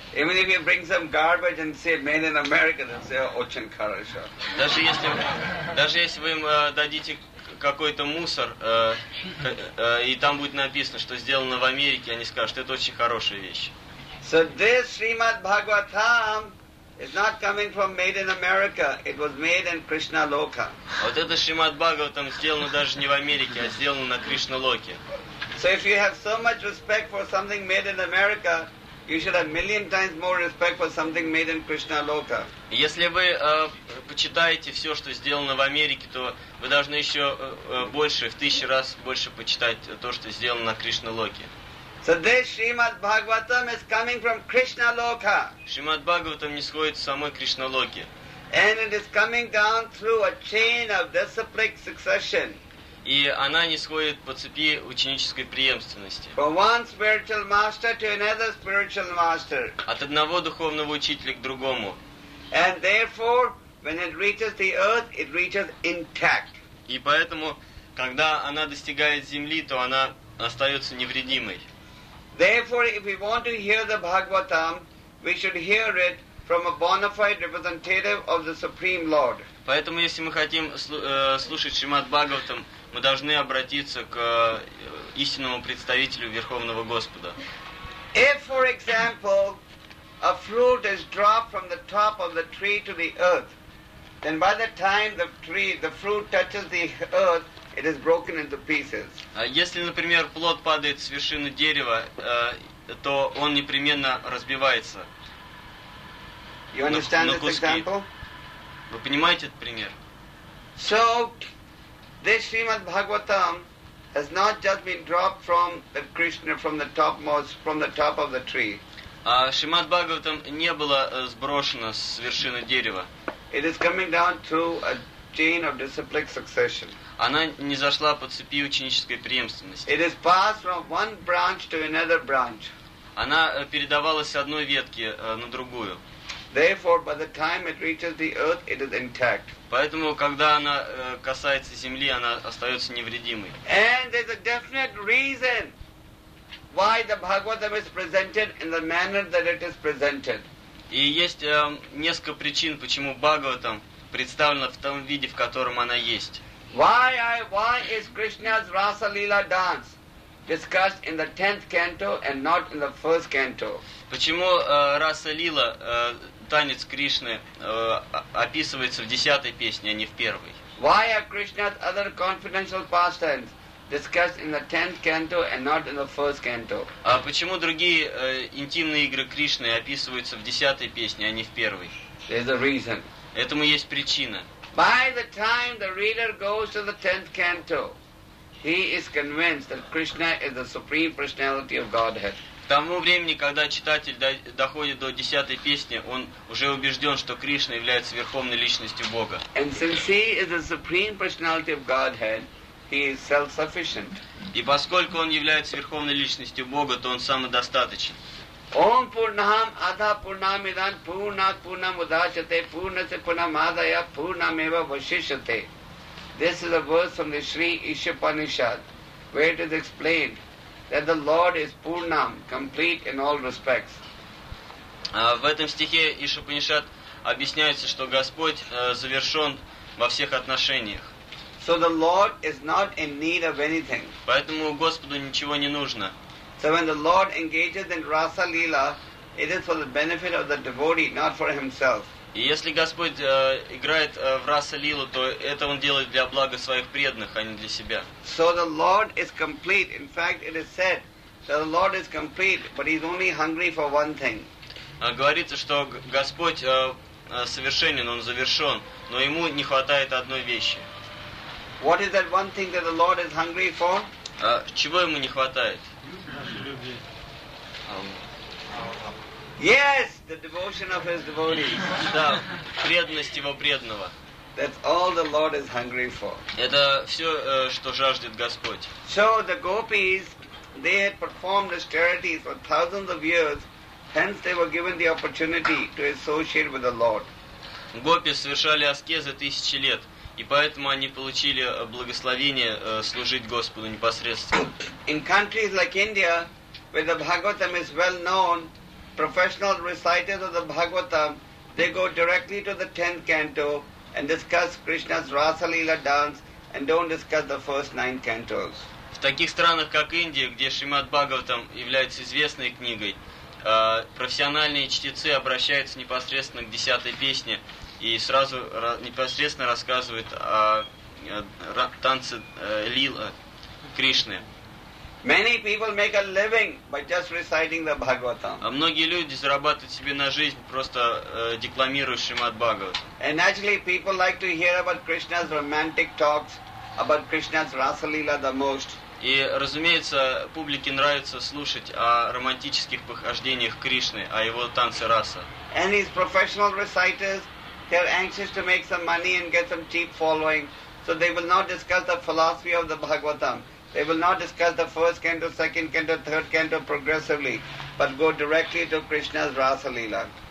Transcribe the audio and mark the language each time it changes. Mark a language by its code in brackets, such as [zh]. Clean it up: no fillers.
[en] Even if you bring some garbage and say made in America, they say [ru] очень хорошо. Даже если вы им дадите какой-то мусор, и там будет написано, что сделано в Америке, они скажут, это очень хорошая вещь. [en] So this Srimad Bhagavatam is not coming from made in America, it was made in Krishna Loka. [ru] Вот это Шримад Бхагаватам сделано даже не в Америке, а сделано на Кришна Локе. [en] So if you have so much respect for something made in America, you should have million times more respect for something made in Krishna Loka. [ru] Если вы почитаете все, что сделано в Америке, то вы должны еще больше, в тысячу раз больше почитать то, что сделано на Кришна Локе. [en] So this Srimad Bhagavatam is coming from Krishna Loka. [ru] Srimad Bhagavatam нисходит с самой Кришна Локи. [en] And it is coming down through a chain of disciplic succession. [ru] И она нисходит по цепи ученической преемственности. [en] From one spiritual master to another spiritual master. [ru] От одного духовного учителя к другому. [en] And therefore, when it reaches the earth, it reaches intact. [ru] И поэтому, когда она достигает земли, то она остается невредимой. [en] Therefore, if we want to hear the Bhagavatam, we should hear it from a bona fide representative of the Supreme Lord. [ru] Поэтому, если мы хотим слушать Шримад Бхагаватам, мы должны обратиться к истинному представителю Верховного Господа. [en] If, for example, a fruit is dropped from the top of the tree to the earth, then by the time the fruit touches the earth, it is broken into pieces. [ru] Если, например, плод падает с вершины дерева, то он непременно разбивается. [en] You understand this example? [ru] Вы понимаете этот пример? [en] So this Srimad Bhagavatam has not just been dropped from the Krishna from the top of the tree. [ru] Шримад Бхагаватам не было сброшено с вершины дерева. [en] It is coming down through a chain of disciplic succession. [ru] Она не зашла по цепи ученической преемственности. [en] It is passed from one branch to another branch. [ru] Она передавалась с одной ветки на другую. [en] Therefore, by the time it reaches the earth, it is intact. [ru] Поэтому, когда она касается земли, она остается невредимой. [en] And there's a definite reason why the Bhagavatam is presented in the manner that it is presented. [ru] И есть несколько причин, почему Бхагаватам представлена в том виде, в котором она есть. [en] Why is Krishna's Rasa Lila dance discussed in the 10th canto and not in the first canto? [ru] Почему Раса Лила, танец Кришны, описывается в 10-й песне, а не в первой? [en] Why are Krishna's other confidential pastimes discussed in the 10th canto and not in the first canto? [ru] А почему другие интимные игры Кришны описываются в 10-й песне, а не в первой? [en] There's a reason. [ru] Этому есть причина. [en] By the time the reader goes to the 10th canto, he is convinced that Krishna is the supreme personality of Godhead. [ru] К тому времени, когда читатель доходит до 10-й песни, он уже убежден, что Кришна является верховной личностью Бога. [en] And since he is the supreme personality of Godhead, he is self-sufficient. [ru] И поскольку он является верховной личностью Бога, то он самодостаточен. [sa] Ом Пурнам Адха Пурнам Идан Пурнат Пурнам Удачате Пурнасе Пурнам Адая Пурнам Эва Вашишате. [en] This is a verse from the Sri Ishapanishad, where it is explained that the Lord is Purnam, complete in all respects. [ru] В этом стихе Ишапанишад объясняется, что Господь завершен во всех отношениях. [en] So the Lord is not in need of anything. [ru] Поэтому Господу ничего не нужно. [en] So when the Lord engages in Rasa Lila, it is for the benefit of the devotee, not for himself. [ru] И если Господь играет в Раса Лилу, то это он делает для блага своих преданных, а не для себя. [en] So the Lord is complete. In fact, it is said that the Lord is complete, but he's only hungry for one thing. [ru] Говорится, что Господь совершенен, он завершен, но ему не хватает одной вещи. [en] What is that one thing that the Lord is hungry for? [ru] Чего ему не хватает? [en] Yes, the devotion of his devotees. [ru] Да, преданность его преданного. [en] That's all the Lord is hungry for. [ru] Это все, что жаждет Господь. [en] So the gopis, they had performed austerities for thousands of years, Hence they were given the opportunity to associate with the Lord. [ru] Гопи совершали аскезы тысячи лет, и поэтому они получили благословение служить Господу непосредственно. [en] In countries like India, where the Bhagavatam is well known, professional reciters of the Bhagavatam, they go directly to the 10th canto and discuss Krishna's Rasa Leela dance and don't discuss the first 9 cantos. [ru] В таких странах, как Индия, где Шримад Бхагаватам является известной книгой, профессиональные чтецы обращаются непосредственно к 10-й песне и сразу непосредственно рассказывают о танце лила Кришны. [en] Many people make a living by just reciting the Bhagavatam. [ru] А многие люди зарабатывают себе на жизнь просто декламируя Шримад Бхагаватам. [en] And actually people like to hear about Krishna's romantic talks about Krishna's Rasa Leela the most. [ru] И, разумеется, публике нравится слушать о романтических похождениях Кришны, о его танце раса. [en] And his professional reciters, they're anxious to make some money and get some cheap following, so they will not discuss the philosophy of the Bhagavatam. They will not discuss the first canto, second canto, third canto progressively, but go directly to Krishna's Rasa Leela.